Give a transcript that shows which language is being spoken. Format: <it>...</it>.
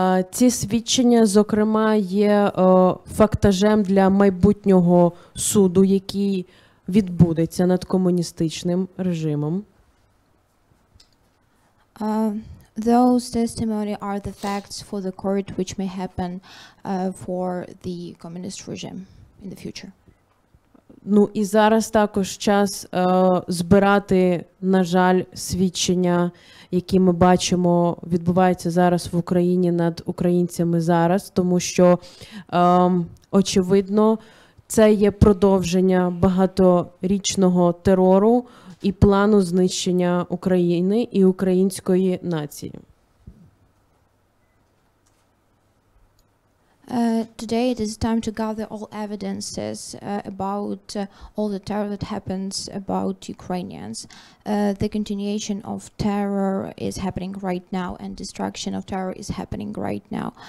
<uk>Ці свідчення, зокрема, є фактажем для майбутнього суду, який відбудеться над комуністичним режимом.</uk> <en>Those testimony are the facts for the court which may happen for the communist regime in the future.</en> <uk>Ну і зараз також час збирати, на жаль, свідчення, які ми бачимо, відбувається зараз в Україні над українцями зараз, тому що очевидно, це є продовження багаторічного терору і плану знищення України і української нації.</uk> <en>Today it is time to gather all evidences about all the terror that happens about Ukrainians. The continuation of terror is happening right now, and destruction of terror is happening right now.</en>